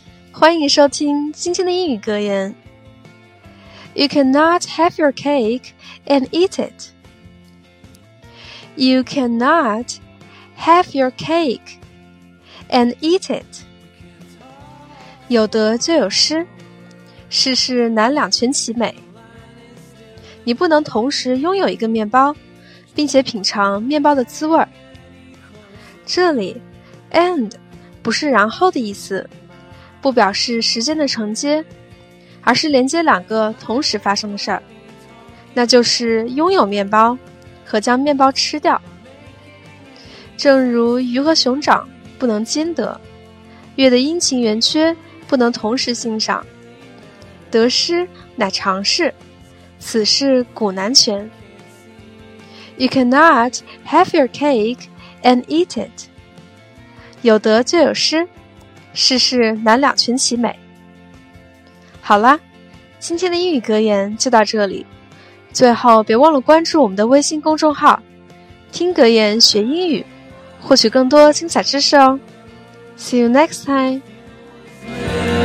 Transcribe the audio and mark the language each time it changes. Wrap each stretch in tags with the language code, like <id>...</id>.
<zh>欢迎收听今天的英语格言。</zh> <en>You cannot have your cake and eat it. You cannot have your cake and eat it.</en> <zh>有得就有失，世事难两全其美。你不能同时拥有一个面包，并且品尝面包的滋味。这里 and 不是然后的意思，不表示时间的承接，而是连接两个同时发生的事儿，那就是拥有面包和将面包吃掉。正如鱼和熊掌不能兼得，月的阴晴圆缺不能同时欣赏，得失乃常事，此事古难全。</zh> <en>You cannot have your cake and eat it.</en> <zh>有得就有失，世事难两全其美。好啦，今天的英语格言就到这里。最后别忘了关注我们的微信公众号，听格言学英语，获取更多精彩知识哦。</zh> <en>See you next time.</en>